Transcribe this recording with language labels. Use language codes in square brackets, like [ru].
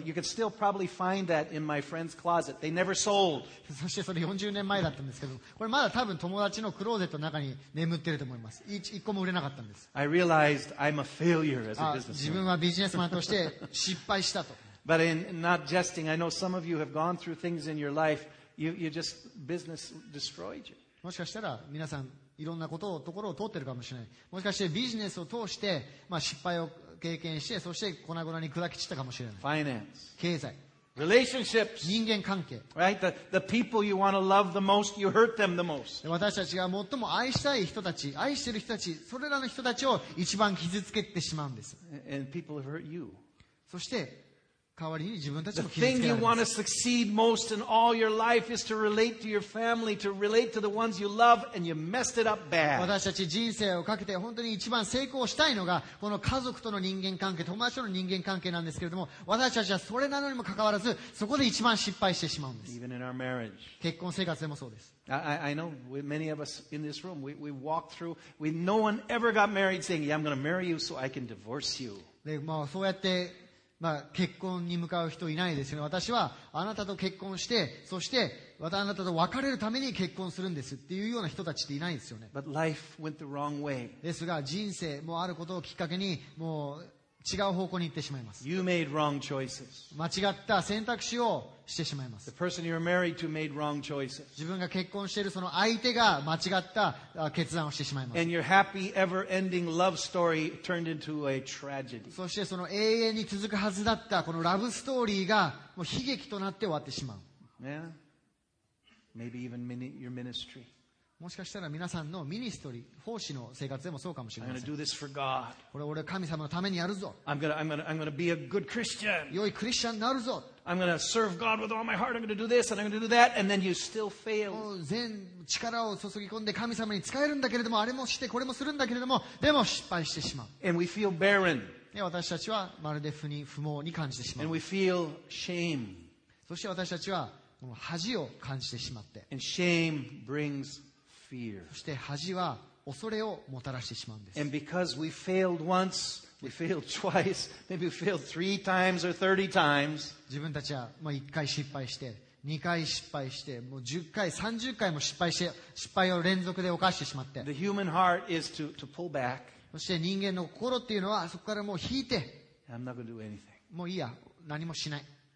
[en] You can still probably find that in my friend's closet. They never sold. [ja] そしてそれ40年前だったんですけど、これまだ多分友達のクローゼットの中に眠ってると思います。一個も売れなかったんです。 [en] I realized I'm a failure as a business owner. [ja] 自分はビジネスマンとして失敗したと。 [en] But in not jesting, I know some of you have gone through things in your life. You just business destroyed you. [ja] もしかしたら皆さん、いろんなことをところを通ってるかもしれない。もしかしてビジネスを通して、まあ、失敗を経験して、そして粉々に砕き散ったかもしれない。 [en] Finance. [ja] 経済。 [en] Relationships. [ja] 人間関係。 [en] Right? The people you want to love the most, you hurt them the most. [ja] 私たちが最も愛したい人たち、愛してる人たち、それらの人たちを一番傷つけてしまうんです。 [en] And people have hurt you. [ja] そして、代わりに自分たちも傷つけられます。 [en] The thing you want to succeed most in all your life is to relate to your family, to relate to the ones you love, and you messed it up bad. [ja] 私たち人生をかけて本当に一番成功したいのが、この家族との人間関係、友達との人間関係なんですけれども、私たちはそれなのにもかかわらず、そこで一番失敗してしまうんです。 [en] Even in our marriage. [ja] 結婚生活でもそうです。 [en] I know many of us in this room, we walk through, no one ever got married saying, yeah, I'm going to marry you so I can divorce you. [ja] で、まあそうやって、まあ、結婚に向かう人いないですよね。私はあなたと結婚して、そしてまたあなたと別れるために結婚するんですっていうような人たちっていないですよね。 [en] But life went the wrong way. [ja] ですが人生もあることをきっかけにもう違う方向に行ってしまいます。 [en] You made wrong choices. [ja] 間違った選択肢をしてしまいます。 [en] The person you're married to made wrong choices. [ja] 自分が結婚しているその相手が間違った決断をしてしまいます。 [en] And your happy ever ending love story turned into a tragedy. [ja] そしてその永遠に続くはずだったこのラブストーリーがもう悲劇となって終わってしまう。 [en] Yeah. Maybe even your ministry. [ja] もしかしたら皆さんのミニストリー、奉仕の生活でもそうかもしれません。 [en] I'm gonna do this for God. [ja] これ俺は神様のためにやるぞ。 [en] I'm gonna be a good Christian. [ja] 良いクリスチャンになるぞ。 [en] I'm gonna serve God with all my heart. I'm gonna do this and I'm gonna do that. And then you still fail. [ja] 全力を注ぎ込んで神様に仕えるんだけれども、あれもして、これもするんだけれども、でも失敗してしまう。 [en] And we feel barren. [ja] 私たちはまるで不毛に感じてしまう。 [en] And we feel shame. [ja] そして私たちは恥を感じてしまって。 [en] And shame brings shame. [ja] そして恥は恐れをもたらしてしまうんです。 [en] And because we failed once, we failed twice, maybe we failed three times or 30 times. [ja] 自分たちはまあ1回失敗して、2回失敗して、もう10回、30回も失敗して、失敗を連続で犯してしまって。 [en] The human heart is to pull back. [ja] そして人間の心っていうのはそこからもう引いて、 [en] I'm not gonna do anything. [ja] もういいや、何もしない。